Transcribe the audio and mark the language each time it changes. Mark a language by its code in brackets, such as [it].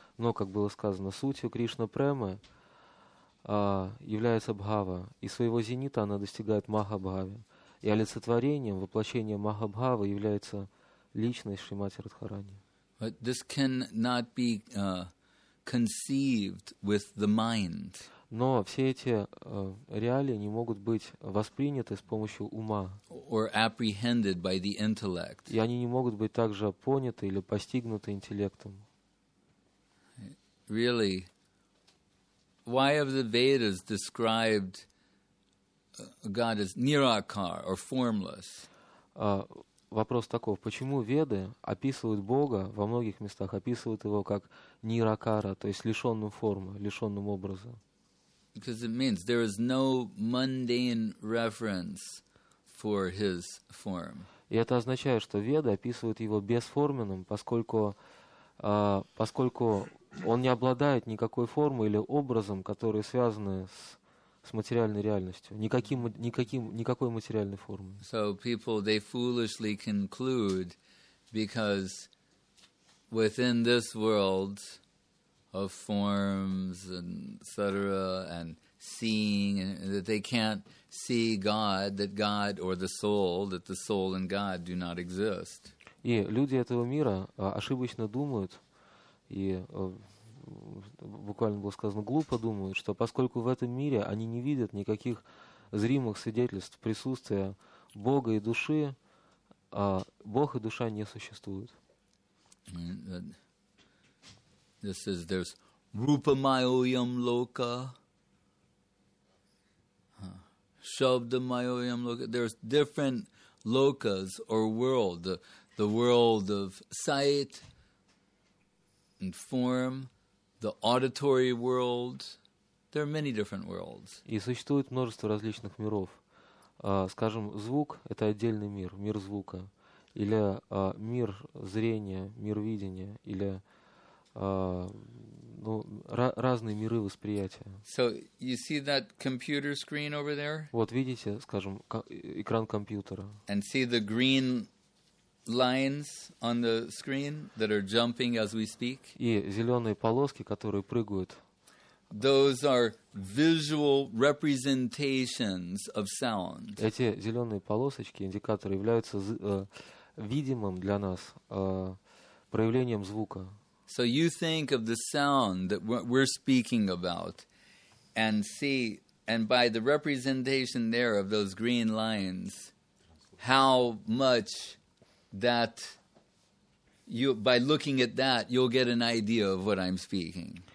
[ru] Но, как было сказано, сутью Кришна Премы является Бхава. И своего зенита она достигает Махабхави. И олицетворением, воплощением Махабхавы является личность Шримати Радхарани. [en] But this cannot be conceived with the mind. [ru] Но все эти реалии не могут быть восприняты с помощью ума. [en] Or apprehended by the intellect. [ru] И они не могут быть также поняты или постигнуты интеллектом. [en] Really, why have the Vedas described God as nirakar or formless? [ru] Вопрос таков: почему Веды описывают Бога во многих местах, описывают его как ниракара, то есть лишенным формы, лишенным образа? [en] Because it means there is no mundane reference for his form. [ru] И это означает, что Веды описывают его бесформенным, поскольку он не обладает никакой формой или образом, которые связаны с материальной реальностью, никакой материальной формой. [en] So people, they foolishly conclude, because within this world of forms and etc. and seeing, and that they can't see God, that God or the soul, that the soul and God do not exist. [ru] И люди этого мира ошибочно думают, и буквально было сказано, глупо думают, что поскольку в этом мире они не видят никаких зримых свидетельств присутствия Бога и души, Бог и душа не существуют. [en] This is, there's [sa] rupamayoyam loka, shabdamayoyam loka. [en] There's different lokas or world, the world of sight and form, the auditory world. There are many different worlds. [ru] И существует множество различных миров. Скажем, звук — это отдельный мир, мир звука. Или мир зрения, мир видения, или разные миры восприятия. [en] So you see that computer screen over there? [ru] Вот видите, скажем, экран компьютера. [en] And see the green lines on the screen that are jumping as we speak. [ru] И зеленые полоски, которые прыгают. [en] Those are visual representations of sound. [ru] Эти зеленые полосочки, индикаторы, являются видимым для нас проявлением звука. [en] So you think of the sound that we're speaking about, and see, and by the representation there of those green lines, how much that you, by looking at that, you'll get an idea of what I'm speaking.